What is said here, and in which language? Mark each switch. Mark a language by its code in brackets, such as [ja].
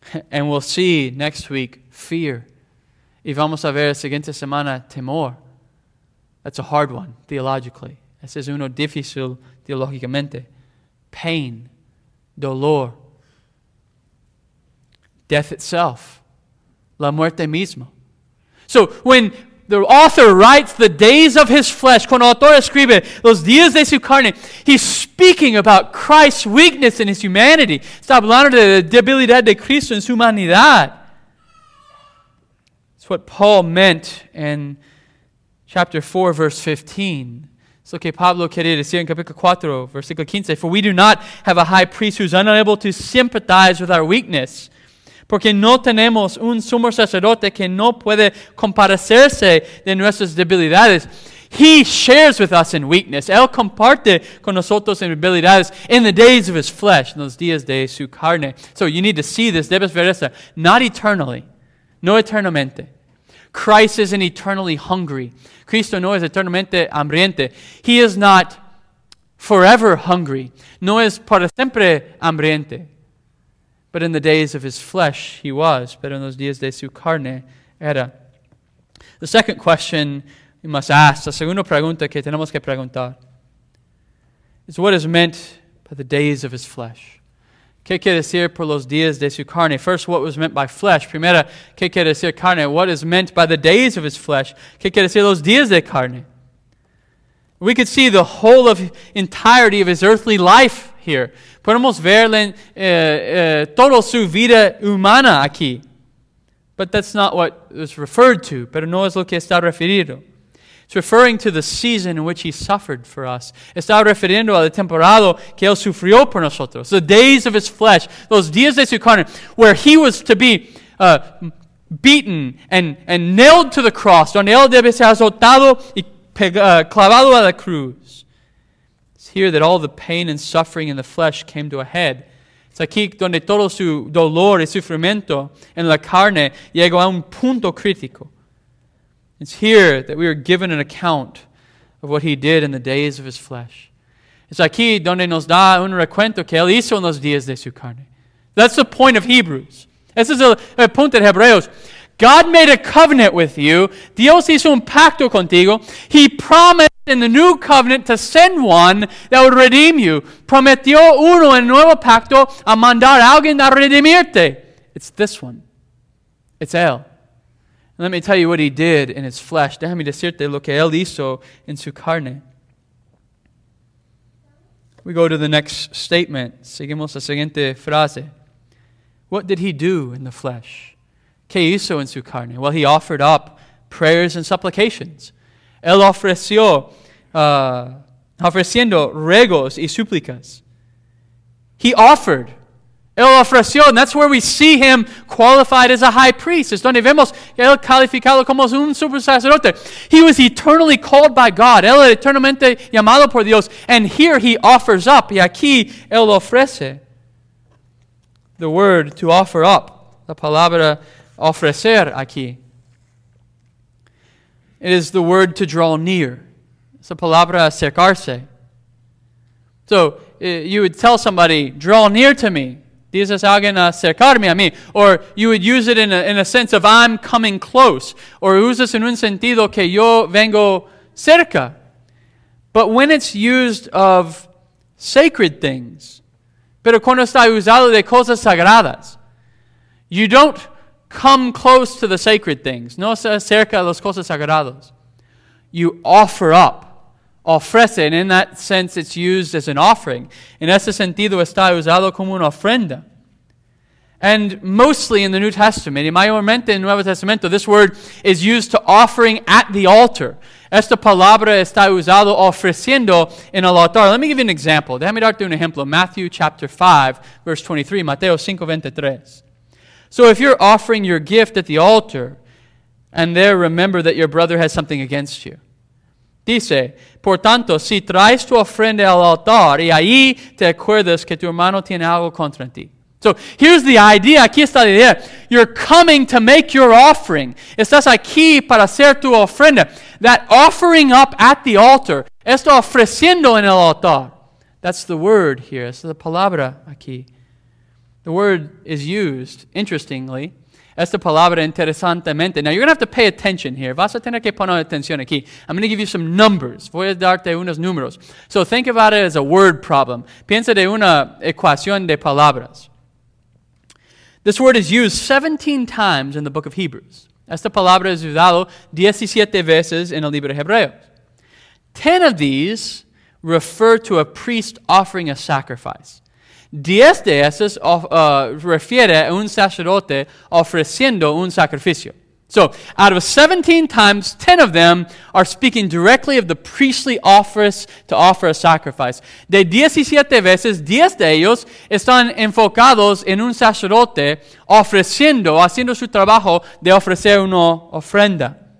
[en] And we'll see next week fear. [es] Y vamos a ver la siguiente semana temor. [en] That's a hard one theologically. [es] Ese es uno difícil teológicamente. [en] Pain, [es] dolor, [en] death itself, [es] la muerte misma. [en] So when the author writes the days of his flesh, [es] cuando el autor escribe los días de su carne, [en] he's speaking about Christ's weakness in his humanity. [es] Está hablando de la debilidad de Cristo en su humanidad. [en] It's what Paul meant in chapter 4, verse 15. [es] Es lo que Pablo quería decir en capítulo 4, versículo 15. [en] For we do not have a high priest who is unable to sympathize with our weakness. [es] Porque no tenemos un sumo sacerdote que no puede compadecerse de nuestras debilidades. [en] He shares with us in weakness. [es] Él comparte con nosotros en debilidades [en] in the days of his flesh, [es] en los días de su carne. [en] So you need to see this. [es] Debes ver esta. [en] Not eternally. [es] No eternamente. [en] Christ isn't eternally hungry. [es] Cristo no es eternamente hambriente. [en] He is not forever hungry. [es] No es para siempre hambriente. [en] But in the days of his flesh, he was. [es] Pero en los días de su carne, era. [en] The second question we must ask, [es] la segunda pregunta que tenemos que preguntar, [en] is what is meant by the days of his flesh? [es] ¿Qué quiere decir por los días de su carne? [en] First, what was meant by flesh? [es] Primera, ¿qué quiere decir carne? [en] What is meant by the days of his flesh? [es] ¿Qué quiere decir los días de carne? [en] We could see the whole of entirety of his earthly life here. [es] Podemos ver toda su vida humana aquí. [en] But that's not what is referred to. [es] Pero no es lo que está referido. [en] It's referring to the season in which he suffered for us. [es] Está refiriendo al temporado que él sufrió por nosotros. [en] The days of his flesh. Those [es] días de su carne. [en] Where he was to be beaten and nailed to the cross. [es] Donde él debe ser azotado y clavado a la cruz. [en] Here that all the pain and suffering in the flesh came to a head. [es] Es aquí donde todo su dolor y sufrimiento en la carne llegó a un punto crítico. [en] It's here that we are given an account of what he did in the days of his flesh. [es] Es aquí donde nos da un recuento que él hizo en los días de su carne. [en] That's the point of Hebrews. [es] Ese es el punto de Hebreos. [en] God made a covenant with you. [es] Dios hizo un pacto contigo. [en] He promised in the new covenant to send one that would redeem you. [es] Prometió uno en nuevo pacto a mandar alguien a redimirte. [en] It's this one. It's él. And let me tell you what he did in his flesh. [es] Déjame decirte lo que él hizo en su carne. [en] We go to the next statement. [es] Seguimos la siguiente frase. [en] What did he do in the flesh? [es] ¿Qué hizo en su carne? [en] Well, he offered up prayers and supplications. [es] Él ofreció ofreciendo ruegos y súplicas. [en] He offered. [es] El ofreción, [en] that's where we see him qualified as a high priest. [es] Es donde vemos él calificado como un sacerdote. [en] He was eternally called by God. [es] Él era eternamente llamado por Dios. [en] And here he offers up. [es] Y aquí él ofrece. [en] The word to offer up. [es] La palabra ofrecer aquí. [en] It is the word to draw near. It's a [es] palabra acercarse. [en] So you would tell somebody, draw near to me. [es] Dices alguien acercarme a mí. [en] Or you would use it in a sense of I'm coming close. [es] Or usas en un sentido que yo vengo cerca. [en] But when it's used of sacred things, [es] pero cuando está usado de cosas sagradas, [en] you don't come close to the sacred things. [es] No se acerca a las cosas sagradas. [en] You offer up. [es] Ofrece, [en] and in that sense, it's used as an offering. [es] En ese sentido, está usado como una ofrenda. [en] And mostly in the New Testament, [es] y mayormente en Nuevo Testamento, [en] this word is used to offering at the altar. [es] Esta palabra está usado ofreciendo en el altar. [en] Let me give you an example. [es] Déjame darte un ejemplo. [en] Matthew chapter 5, verse 23. [es] Mateo 5, 23. [en] So if you're offering your gift at the altar, and there remember that your brother has something against you. [es] Dice, por tanto, si traes tu ofrenda al altar, y ahí te acuerdas que tu hermano tiene algo contra ti. [en] So, here's the idea, [es] aquí está la idea. [en] You're coming to make your offering. [es] Estás aquí para hacer tu ofrenda. [en] That offering up at the altar, [es] esto ofreciendo en el altar. [en] That's the word here, [es] es la palabra aquí. [en] The word is used, interestingly, [es] esta palabra interesantemente. [en] Now, you're going to have to pay attention here. [es] Vas a tener que poner atención aquí. [en] I'm going to give you some numbers. [es] Voy a darte unos números. [en] So, think about it as a word problem. [es] Piensa de una ecuación de palabras. [en] This word is used 17 times in the book of Hebrews. [es] Esta palabra es usado 17 veces en el libro de Hebreos. [en] 10 of these refer to a priest offering a sacrifice. [es] 10 de esas refiere a un sacerdote ofreciendo un sacrificio. [en] So, out of 17 times, 10 of them are speaking directly of the priestly office to offer a sacrifice. [es] De 17 veces, 10 de ellos están enfocados en un sacerdote ofreciendo, haciendo su trabajo de ofrecer una ofrenda.